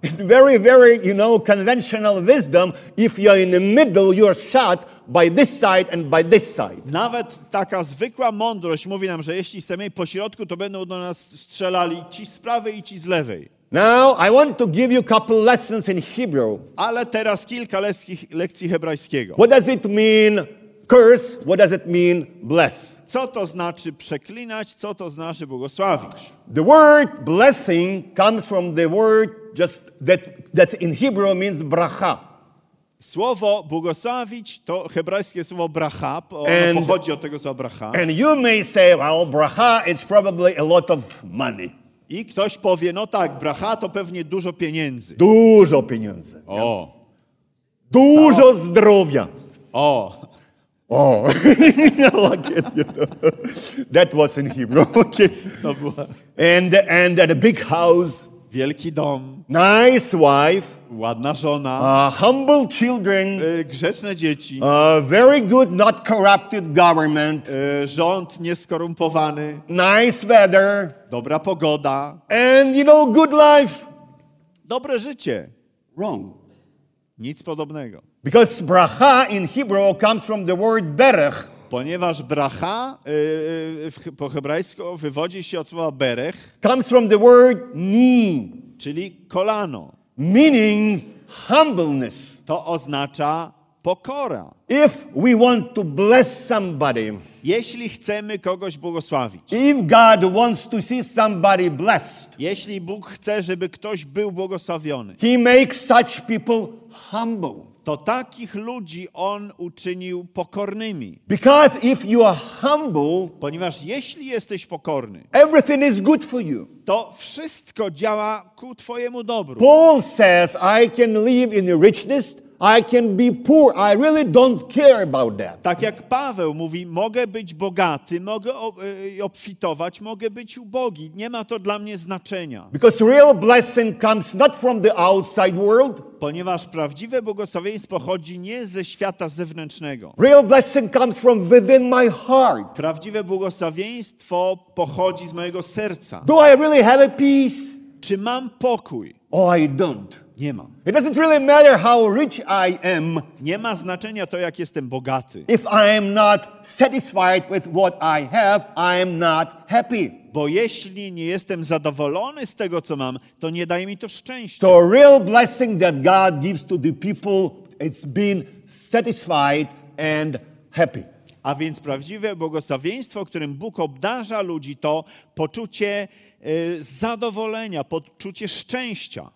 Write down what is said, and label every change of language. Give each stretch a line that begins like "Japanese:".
English: Very, very, you know, conventional wisdom. If you're in the middle, you're shot by this side and by this side.
Polish: Nawet taka zwykła mądrość mówi nam, że jeśli jesteśmy po środku, to będą do nas strzelali ci z prawej i ci z lewej.
English: Now I want to give you a couple lessons in Hebrew.
Polish: Ale teraz kilka lekcji hebrajskiego.
English: What does it mean curse? What does it mean bless?
Polish: Co to znaczy przeklinać? Co to znaczy błogosławić?
English: The word blessing comes from the word just that in Hebrew means bracha.
Polish: Słowo błogosławić to hebrajskie słowo bracha, ono pochodzi od tego słowa bracha.
English: And you may say, well, bracha is probably a lot of money.
Polish: I ktoś powie, no tak, bracha to pewnie dużo pieniędzy. Dużo pieniędzy. O. Dużo zdrowia. O.
English: Oh, like it, you know. That was in Hebrew. Okay.
Polish: To była.
English: And at a big house.
Polish: Wielki dom.
English: Nice wife.
Polish: Ładna żona.
English: Humble children.
Polish: Grzeczne dzieci.
English: Very good, not corrupted government.
Polish: Rząd nieskorumpowany.
English: Nice weather.
Polish: Dobra pogoda.
English: And you know, good life.
Polish: Dobre życie.
English: Wrong.
Polish: Nic podobnego.
English: Because bracha in Hebrew comes from the word berech.
Polish: Ponieważ bracha po hebrajsku wywodzi się od słowa berech.
English: Comes from the word knee.
Polish: Czyli kolano.
English: Meaning humbleness.
Polish: To oznacza pokora.
English: If we want to bless somebody.
Polish: Jeśli chcemy kogoś błogosławić.
English: If God wants to see somebody blessed.
Polish: Jeśli Bóg chce, żeby ktoś był błogosławiony.
English: He makes such people humble.
Polish: To takich ludzi on uczynił pokornymi.
English: Because if you are humble,
Polish: ponieważ jeśli jesteś pokorny,
English: everything is good for you.
Polish: To wszystko działa ku twojemu dobru.
English: Paul says, I can live in richness, I can be poor. I really don't care about that.
Polish: Tak jak Paweł mówi, mogę być bogaty, mogę obfitować, mogę być ubogi. Nie ma to dla mnie znaczenia.
English: Because real blessing comes not from the outside world.
Polish: Ponieważ prawdziwe błogosławieństwo pochodzi nie ze świata zewnętrznego.
English: Real blessing comes from within my heart.
Polish: Prawdziwe błogosławieństwo pochodzi z mojego serca.
English: Do I really have a peace?
Polish: Czy mam pokój?
English: Oh, I don't.
Polish: Nie mam.
English: It doesn't really matter how rich I am.
Polish: Nie ma znaczenia to, jak jestem bogaty.
English: If I am not satisfied with what I have, I am not happy.
Polish: Bo jeśli nie jestem zadowolony z tego, co mam, to nie daje mi to szczęścia.
English: So a real blessing that God gives to the people, it's being satisfied and happy.
Polish: A więc prawdziwe błogosławieństwo, którym Bóg obdarza ludzi, to poczucie zadowolenia, poczucie szczęścia.